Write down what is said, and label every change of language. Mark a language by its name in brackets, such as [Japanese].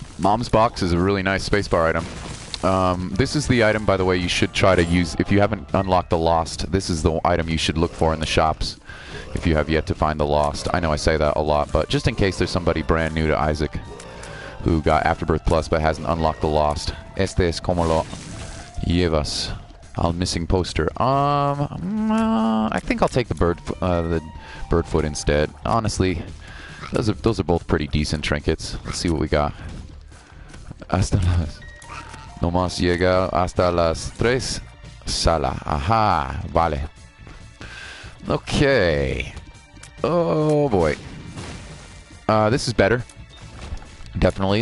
[English] Mom's Box is a really nice spacebar item. This is the item, by the way, you should try to use. If you haven't unlocked the Lost, this is the item you should look for in the shops if you have yet to find the Lost. I know I say that a lot, but just in case there's somebody brand new to Isaac who got Afterbirth Plus but hasn't unlocked the Lost. [Spanish] Este es como lo llevas al missing poster. [English] I think I'll take the bird foot instead. Honestly... Those are both pretty decent trinkets. Let's see what we got. [Spanish] Hasta las... No más llega hasta las tres sala. [English] Aha, vale. Okay. Oh, boy. This is better. Definitely.